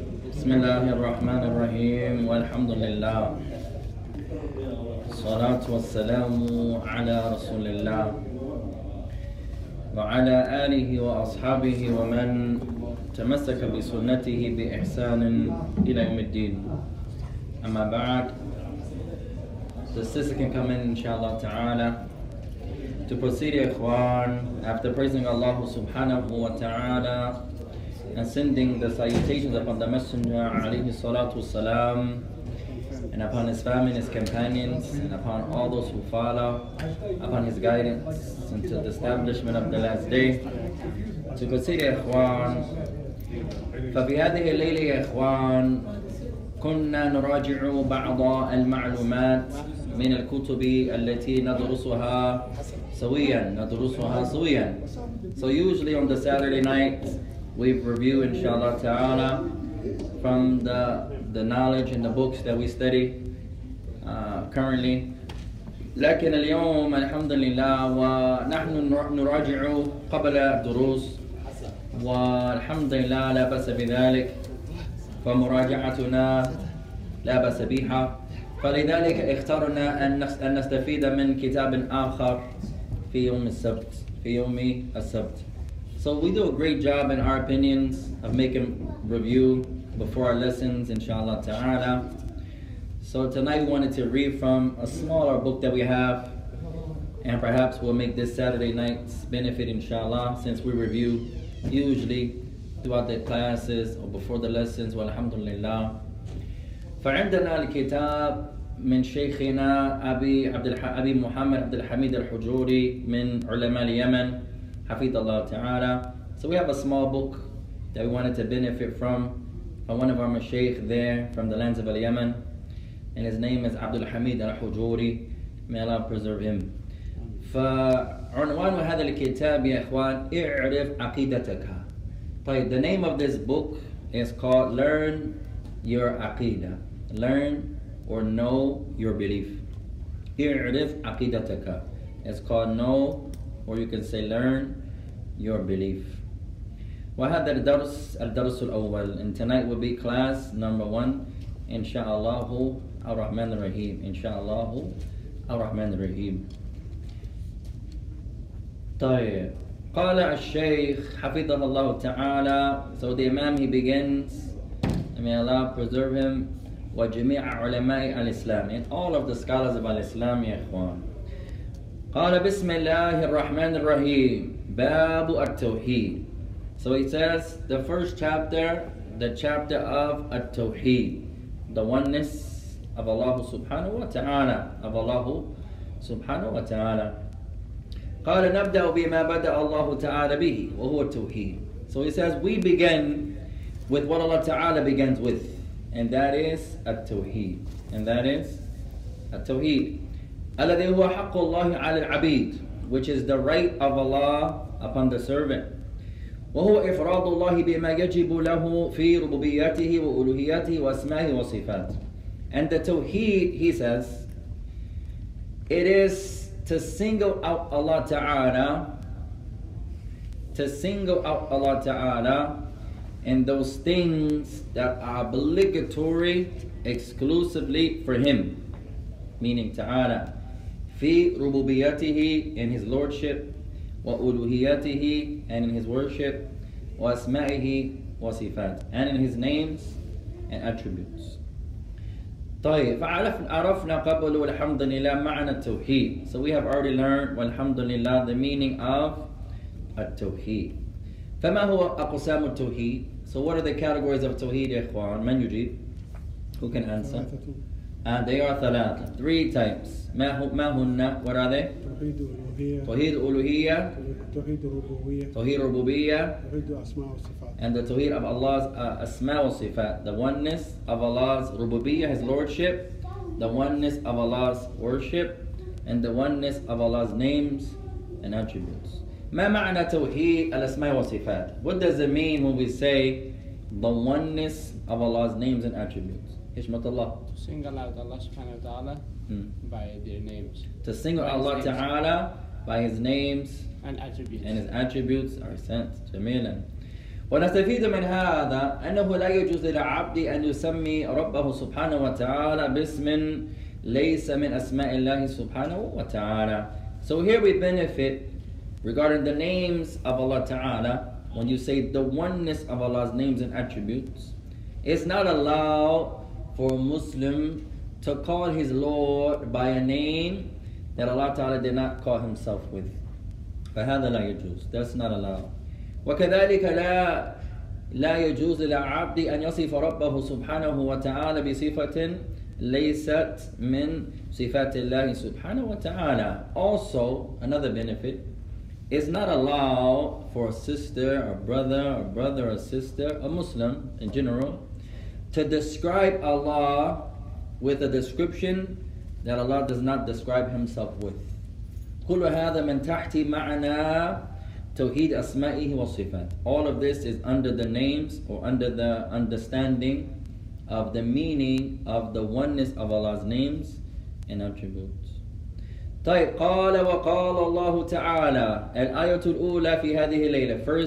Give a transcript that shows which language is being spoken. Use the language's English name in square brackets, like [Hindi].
[Arabic] بسم الله الرحمن الرحيم والحمد لله الصلاة والسلام على رسول الله وعلى آله وأصحابه ومن تمسك بسنته بإحسان إلى يوم الدين أما بعد. [English] The sister can come in, inshallah ta'ala. To proceed, ikhwan, after praising Allah subhanahu wa ta'ala and sending the salutations upon the Messenger alayhi salatu wasalam and upon his family and his companions and upon all those who follow, upon his guidance until the establishment of the last day. To proceed, [Arabic] ikhwan, فَبِهَذِهِ اللَّيْلِ ikhwan, كُنَّا نُرَاجِعُ بَعْضَ الْمَعْلُومَاتِ من الكتب التي ندرسها سويا ندرسها سويا. [English] So usually on the Saturday night we review inshallah ta'ala from the knowledge and the books that we study currently. [Arabic] لكن اليوم الحمد لله ونحن نراجع قبل الدروس والحمد لله لا بأس بذلك فمراجعتنا لا بأس بها. فلذلك اخترنا أن نستفيد من كتاب آخر في يوم السبت في يوم السبت. [English] So we do a great job in our opinions of making review before our lessons, inshallah ta'ala. So tonight we wanted to read from a smaller book that we have, and perhaps we'll make this Saturday night's benefit, inshallah, since we review usually throughout the classes or before the lessons. [Arabic] Walhamdulillah. فعندنا الكتاب من شيخنا أبي محمد عبد الحميد الحجوري من علماء اليمن حفيد الله تعالى. [English] So we have a small book that we wanted to benefit from one of our mashaykh there from the lands of Yemen, and his name is عبد الحميد الحجوري. May Allah preserve him. [Arabic] فعنوان هذا الكتاب يا إخوان اعرف عقيدتك. [English] طيب, the name of this book is called Learn Your Aqidah. Learn or know your belief. [Arabic] اعرف عقيدتك. [English] It's called know, or you can say learn your belief. [Arabic] وهذا الدرس الدرس الأول. [English] And tonight will be class number one. [Arabic] إنشاءالله الرحمن الرحيم. إنشاءالله الرحمن الرحيم. طيب. قال الشيخ حفظه الله تعالى. [English] So the Imam, he begins. May Allah preserve him. [Arabic] وجميع علماء الإسلام [English] and all of the scholars of [Arabic] الإسلام يا إخوان. قال بسم الله الرحمن الرحيم باب التوحيد. [English] So it says the first chapter, the chapter of التوحيد, the oneness of Allah سبحانه وتعالى, of Allah سبحانه وتعالى. [Arabic] قال نبدأ بما بدأ الله تعالى به وهو التوحيد. [English] So it says we begin with what Allah تعالى begins with, and that is التوحيد. And that is التوحيد. [Arabic] الذي هو حق الله على العبيد, [English] which is the right of Allah upon the servant. [Arabic] وهو إفراد الله بما يجب له في ربوبيته وألوهيته وأسمائه وصفاته. [English] And the Tawheed, he says, it is to single out Allah Ta'ala, and those things that are obligatory exclusively for him, meaning Ta'ala, [Arabic] fi rububiyatihi, [English] in his lordship, [Arabic] wa uluhiyatihi, [English] and in his worship, [Arabic] wa asma'ihi wa sifat, [English] and in his names and attributes. [Arabic] طيب عرفنا قبل والحمد لله معنى التوحيد. [English] So we have already learned والحمد لله the meaning of التوحيد. [Arabic] فما هو أقسام التوحيد؟ [English] So what are the categories of التوحيد يا إخوان؟ [Arabic] من يجيب؟ [English] Who can answer? They are ثلاثة. Three types. [Arabic] ما هن؟ [English] What are they? [Arabic] توحيد الألوهية. توحيد الربوبية. توحيد الأسماء والصفات. [English] And the توحيد of Allah's أسماء والصفات. The oneness of Allah's ربوبية, His lordship. The oneness of Allah's worship. And the oneness of Allah's names and attributes. [Arabic] ما معنى توحيد الأسماء والصفات? [English] What does it mean when we say the oneness of Allah's names and attributes? Hishmat Allah. To single out Allah subhanahu wa ta'ala by their names. To single out Allah ta'ala by His names and attributes. And His attributes are sent. [Arabic] Jamilan. ونستفيد من هذا أنه لا يجوز للعبد أن يسمي ربه سبحانه وتعالى باسم ليس من أسماء الله سبحانه وتعالى. [English] So here we benefit regarding the names of Allah Ta'ala, when you say the oneness of Allah's names and attributes, it's not allowed for a Muslim to call his Lord by a name that Allah Ta'ala did not call himself with. [Arabic] فَهَذَا لَا يَجُوزُ. [English] That's not allowed. [Arabic] وَكَذَلِكَ لَا يَجُوزُ لَعَبْدِ أَنْ يَصِفَ رَبَّهُ سُبْحَانَهُ وَتَعَالَى بِصِفَةٍ لَيْسَتْ مِنْ صِفَاتِ اللَّهِ سُبْحَانَهُ وَتَعَالَى. [English] Also, another benefit, it's not allowed for a sister, a brother, or sister, a Muslim in general, to describe Allah with a description that Allah does not describe Himself with. [Arabic] كل هذا من تحت معنى توحيد أسمائه وصفاته. [English] All of this is under the names or under the understanding of the meaning of the oneness of Allah's names and attributes. [Arabic] طيب قال وقال الله تعالى الآية الأولى في هذه الليلة.